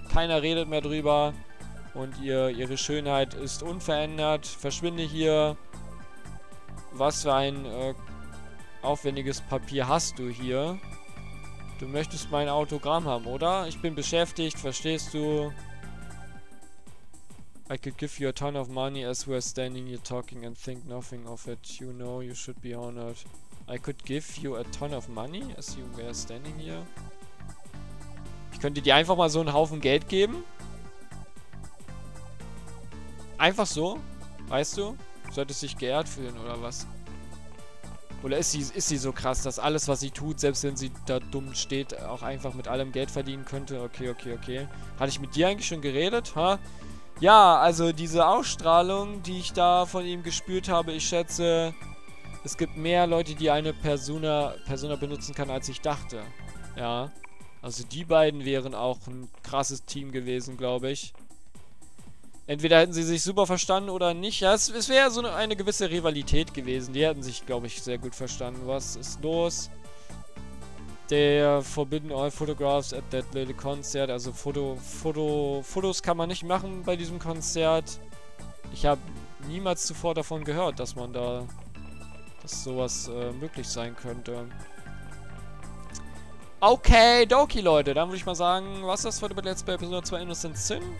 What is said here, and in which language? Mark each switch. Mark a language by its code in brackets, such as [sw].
[de] Keiner redet mehr drüber. Und ihre Schönheit ist unverändert. Verschwinde hier. Was für ein aufwendiges Papier hast du hier? Du möchtest mein Autogramm haben, oder? Ich bin beschäftigt, verstehst du? [en] I could give you a ton of money as we're standing here talking and think nothing of it. You know you should be honored. I could give you a ton of money as you were standing here. [de] Ich könnte dir einfach mal so einen Haufen Geld geben. Einfach so, weißt du? Solltest dich geehrt fühlen oder was? Oder ist sie so krass, dass alles, was sie tut, selbst wenn sie da dumm steht, auch einfach mit allem Geld verdienen könnte? Okay. Hatte ich mit dir eigentlich schon geredet? Ha? Ja, also diese Ausstrahlung, die ich da von ihm gespürt habe, ich schätze, es gibt mehr Leute, die eine Persona benutzen kann, als ich dachte. Ja, also die beiden wären auch ein krasses Team gewesen, glaube ich. Entweder hätten sie sich super verstanden oder nicht. Ja, es wäre so eine gewisse Rivalität gewesen. Die hätten sich, glaube ich, sehr gut verstanden. Was ist los? [en] They forbidden all photographs at that little concert. [de] Also Fotos kann man nicht machen bei diesem Konzert. Ich habe niemals zuvor davon gehört, dass man da, dass sowas möglich sein könnte. Okay, Doki, Leute, dann würde ich mal sagen, was das heute mit Let's Play Episode 2 Innocent Sin?